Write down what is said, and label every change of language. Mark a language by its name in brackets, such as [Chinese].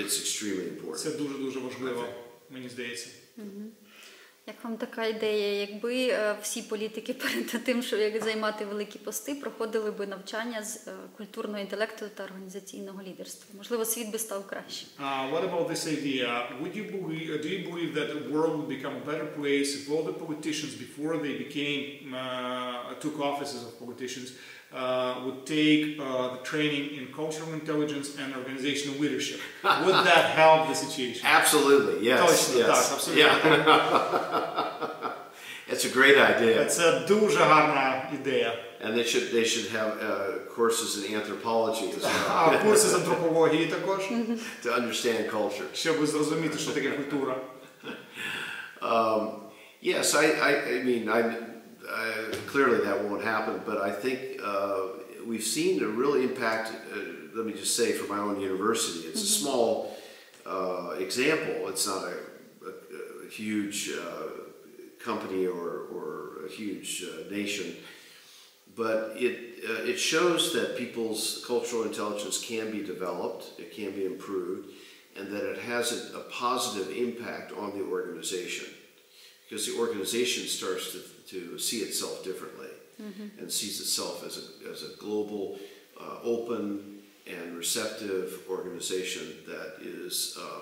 [English] it's extremely important. [Ukrainian] Це дуже-дуже важливо, мені здається. Як вам така ідея, якби всі політики перед тим, щоб займати великі пости, проходили би навчання з культурного інтелекту та організаційного лідерства? Можливо, світ би став кращим. [English] What about this idea? Do you believe that the world would become a better place if all the politicians, before they became took offices of politicians, would take the training in cultural intelligence and organizational leadership? Would that help the situation? Absolutely, yes. [Ukrainian] Точно, [English] yes. [Ukrainian] Так, абсолютно. Yeah. [English] It's a great idea. [Ukrainian] Це дуже гарна ідея. [English] And they should have courses in anthropology as well. [Ukrainian] А курси з антропології також. [English] To understand culture. [Ukrainian] Щоб зрозуміти, що таке культура. [English] Yes, I mean, clearly that won't happen, but I think we've seen a real impact, let me just say, for my own university. It's a small example. It's not a huge company or a huge nation, but it shows that people's cultural intelligence can be developed, it can be improved, and that it has a positive impact on the organization, because the organization starts to see itself differently and sees itself as a global, open and receptive organization that is